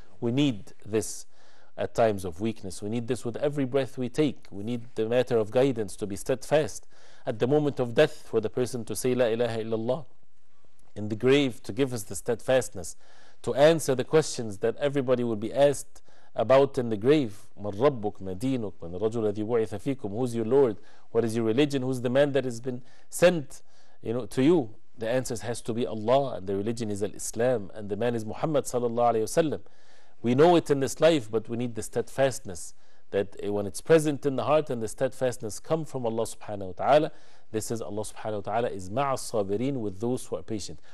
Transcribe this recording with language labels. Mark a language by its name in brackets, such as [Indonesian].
[English] We need this at times of weakness. We need this with every breath we take. We need the matter of guidance, to be steadfast. At the moment of death, for the person to say La ilaha illallah. In the grave, to give us the steadfastness, to answer the questions that everybody will be asked about in the grave. [Arabic] مَنْ رَبُّكَ مَا دِينُكَ مَنْ رَجُلَ الَّذِي بُعِثَ فِيكُمْ [English] Who's your Lord? What is your religion? Who's the man that has been sent, you know, to you? The answer has to be Allah, and the religion is Al-Islam, and the man is Muhammad sallallahu alayhi wa sallam. We know it in this life, but we need the steadfastness, that when it's present in the heart, and the steadfastness come from Allah subhanahu wa ta'ala, this is Allah subhanahu wa ta'ala is ma'a sabirin, with those who are patient.